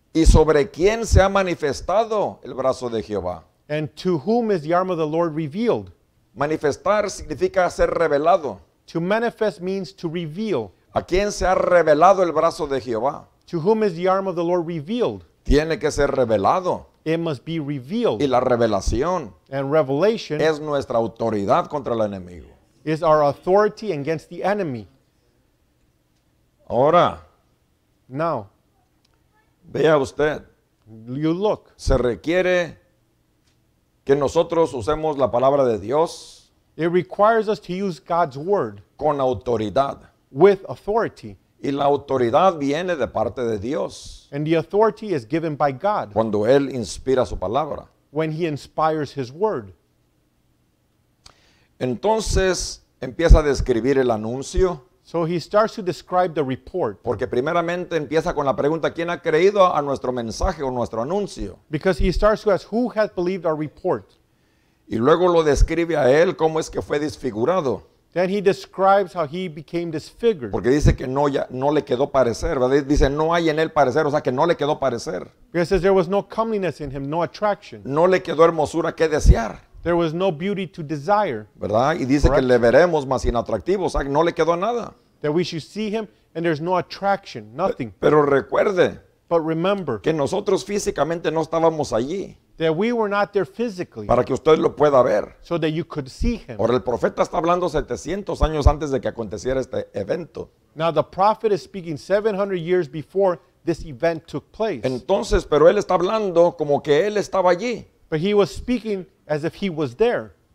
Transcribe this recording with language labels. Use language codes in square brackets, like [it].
[es] ¿Y sobre quién se ha manifestado el brazo de Jehová? [en] And to whom is the arm of the Lord revealed? [es] Manifestar significa ser revelado. [en] To manifest means to reveal. [es] ¿A quién se ha revelado el brazo de Jehová? [en] To whom is the arm of the Lord revealed? [es] Tiene que ser revelado. [en] It must be revealed. [es] Y la revelación [en] and revelation [es] es nuestra autoridad contra el enemigo. [en] Is our authority against the enemy. [es] Ahora. [en] Now. [es] Vea usted. [en] You look. [es] Se requiere que nosotros usemos la palabra de Dios. [en] It requires us to use God's word. [es] Con autoridad. [en] With authority. [es] Y la autoridad viene de parte de Dios. [en] And the authority is given by God. [es] Cuando Él inspira su palabra. [en] When He inspires His word. [es] Entonces empieza a describir el anuncio. [en] So he starts to describe the report. [es] Porque primeramente empieza con la pregunta, ¿quién ha creído a nuestro mensaje o nuestro anuncio? [en] Because he starts to ask, who has believed our report? [es] Y luego lo describe a él cómo es que fue disfigurado. [en] Then he describes how he became disfigured. [es] Porque dice que no, ya, no le quedó parecer, ¿verdad? Dice, no hay en él parecer, o sea que no le quedó parecer. [en] Because it says there was no comeliness in him, no attraction. [es] No le quedó hermosura que desear. [en] There was no beauty to desire. [es] ¿Verdad? Y dice correct. Que le veremos más inatractivo, o sea, no le quedó nada. [en] That we should see him and there's no attraction, nothing. [es] Pero recuerde. [en] But remember. [es] Que nosotros físicamente no estábamos allí. [en] That we were not there physically. [es] Para que usted lo pueda ver. [en] So that you could see him. [es] Ahora el profeta está hablando 700 años antes de que aconteciera este evento. [en] Now the prophet is speaking 700 years before this event took place. [es] Entonces, pero él está hablando como que él estaba allí. [en] But he was speaking as if he was there.